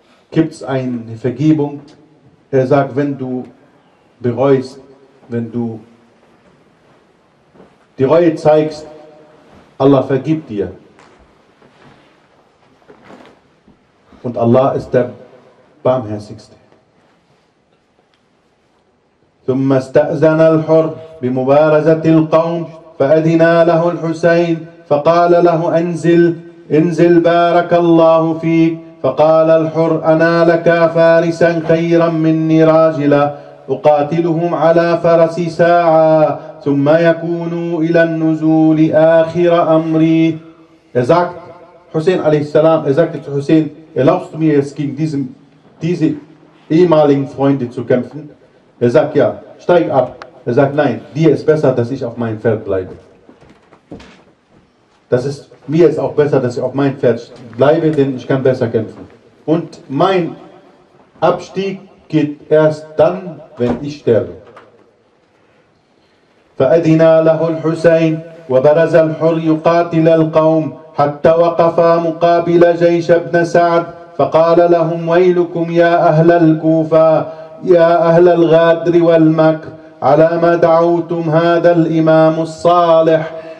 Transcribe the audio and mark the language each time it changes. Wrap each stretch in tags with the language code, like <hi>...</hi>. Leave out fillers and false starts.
<de>Gibt es eine Vergebung? Er sagt, wenn du bereust, wenn du die Reue zeigst, Allah vergibt dir. Und Allah ist der Barmherzigste.</de> <ar>ثم استأذن الحر بمبارزة القوم فأذن له الحسين فقال له انزل بارك الله فيك فقال الحر أنا لك فارسا خيرا مني راجلا أقاتلهم على فرس ساعة ثم يكون إلى النزول آخر أمري</ar> <de>Er sagt, Hussein a.s. Er sagte zu Hussein, erlaubst du mir jetzt gegen diese ehemaligen Freunde zu kämpfen? Er sagt ja, steig ab. Er sagt nein, dir ist besser, dass ich auf meinem Pferd bleibe. Das ist mir ist auch besser, dass ich auf meinem Pferd bleibe, denn ich kann besser kämpfen. Und mein Abstieg geht erst dann, wenn ich sterbe.</de> <ar>فأذن له الحسين وبرز الحر يقاتل القوم حتى وقف مقابل جيش ابن سعد فقال لهم ويلكم يا أهل الكوفة يا أهل الغادر والمكر على ما دعوتم هذا الإمام الصالح</ar>